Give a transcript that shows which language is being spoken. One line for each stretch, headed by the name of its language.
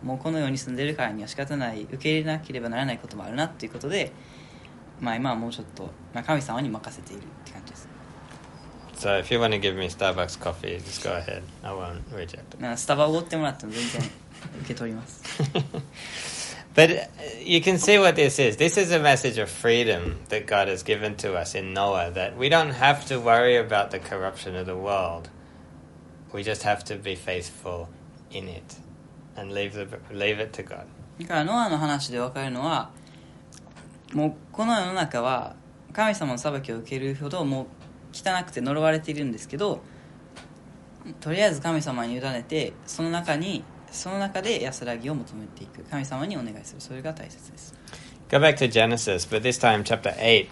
Japanese: もうこの世に住んでるからには仕方ない、受け入れなければならないこともあるなということで、まあ、今はもうちょっと、まあ、神様に任せているって感じです。
English: So if you want to give me Starbucks coffee, just go ahead. I won't reject it.
Japanese: スタバおごってもらっても全然受け取ります。
English: But you can see what this is. This is a message of freedom that God has given to us in Noah, that we don't have to worry about the corruption of the world. We just have to be faithful in it and leave it to God.
Japanese: だからノアの話で分かるのは、もうこの世の中は神様の裁きを受けるほどもう汚くて呪われているんですけど、とりあえず神様に委ねて、その中に、その中で安らぎを求めていく、神様にお願いする、それが大切です。
English: Go back to Genesis, but this time chapter 8,